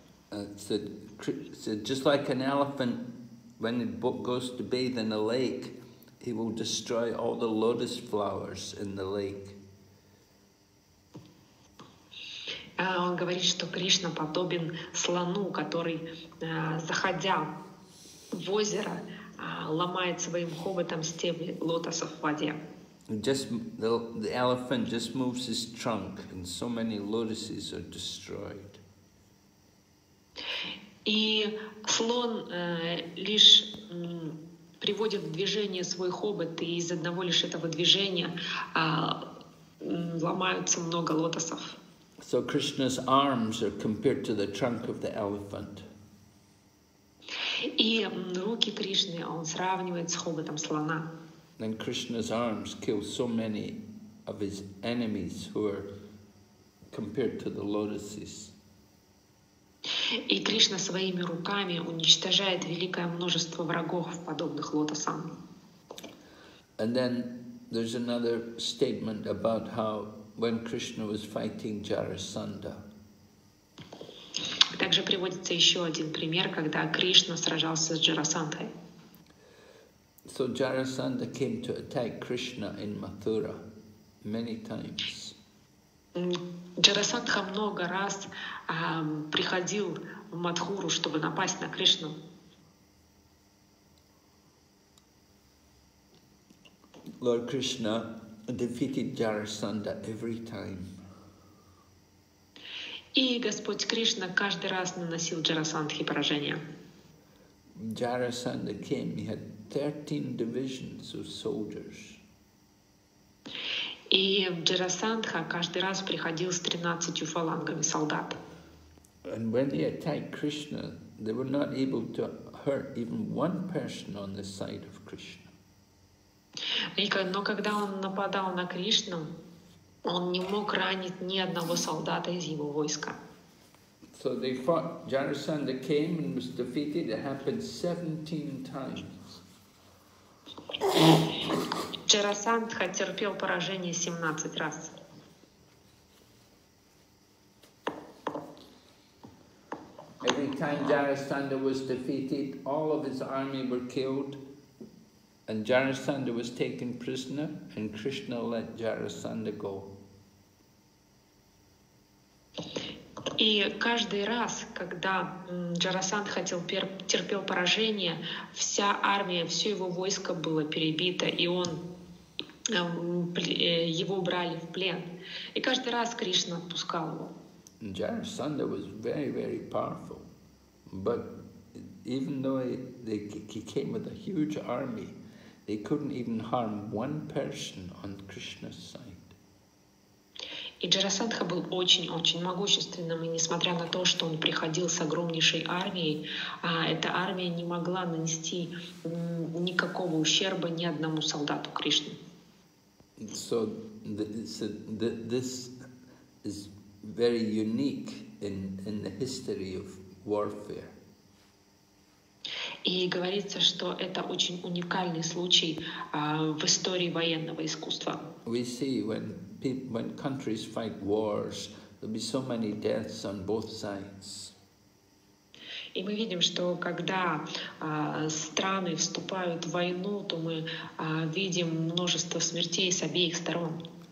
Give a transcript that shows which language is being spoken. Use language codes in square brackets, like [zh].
[en] Just like an elephant, when it goes to bathe in a lake, he will destroy all the lotus flowers in the lake. [ru] Он говорит, что Кришна подобен слону, который, заходя в озеро, ломает своим хоботом стебли лотосов в воде. [en] Just the elephant just moves his trunk, and so many lotuses are destroyed. [ru] И слон лишь приводит в движение свой хобот, и из одного лишь этого движения ломаются много лотосов. [en] So Krishna's arms are compared to the trunk of the elephant. [ru] И руки Кришны он сравнивает с хоботом слона. [en] Then Krishna's arms kill so many of his enemies who are compared to the lotuses. [ru] И Кришна своими руками уничтожает великое множество врагов, подобных лотосам. [en] And then there's another statement about how when Krishna was fighting Jarasandha. [ru] Также приводится еще один пример, когда Кришна сражался с Джарасандхой. [en] So Jarasandha came to attack Krishna in Mathura many times. [ru] Джарасандха много раз приходил в Матхуру, чтобы напасть на Кришну. [en] Lord Krishna defeated Jarasandha every time. [ru] И Господь Кришна каждый раз наносил Джарасандхе поражение. [en] Jarasandha came, he had 13 divisions of soldiers. [ru] И Джарасандха каждый раз приходил с 13 фалангами солдат. [en] And when they attacked Krishna, they were not able to hurt even one person on the side of Krishna. [ru] Но когда он нападал на Кришну, он не мог ранить ни одного солдата из его войска. [en] So they fought. Jarasandha came and was defeated. It happened 17 times. [ru] Джарасандха терпел поражение 17 раз. [en] Every time Jarasandha was defeated, all of his army were killed. And Jarasandha was taken prisoner, and Krishna let Jarasandha go. [ru] И каждый раз, когда Джарасандха терпел поражение, вся армия, все его войско было перебито, и он его брали в плен. И каждый раз Кришна отпускал его. [en] Jarasandha was very, very powerful, but even though he came with a huge army, they couldn't even harm one person on Krishna's side. [ru] И Джарасандха был очень-очень могущественным, и несмотря на то, что он приходил с огромнейшей армией, эта армия не могла нанести никакого ущерба ни одному солдату Кришны. [en] So this is very unique in the history of warfare. [ru] И говорится, что это очень уникальный случай в истории военного искусства. [en] We see when countries fight wars, there'll be so many deaths on both sides. [ru] И мы видим, что когда страны вступают в войну, то мы видим множество смертей с обеих сторон.